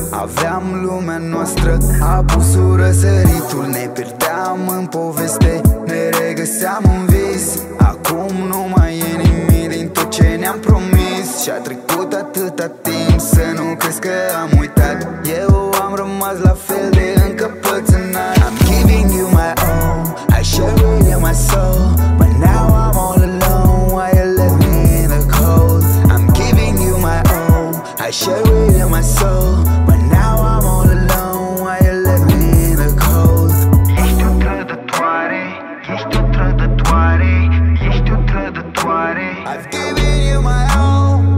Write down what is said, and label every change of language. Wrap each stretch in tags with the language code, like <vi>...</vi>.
<ro>Aveam lumea noastră, apusul răsăritul. Ne pierdeam în poveste, ne regăseam în vis. Acum nu mai e nimic din tot ce ne-am promis. Și-a trecut atâta timp să nu crezi că am uitat. Eu am rămas la fel de încăpățânat.</ro> <en>I'm giving you my all, I share with you my soul. But now I'm all alone, why you left me in the cold? I'm giving you my all, I share with you my soul. But now I'm all alone, why you left me in the cold?</en> <ro>Ești o trădătoare, ești o trădătoare. Ești o trădătoare,</ro> <en>I've given you my all.</en>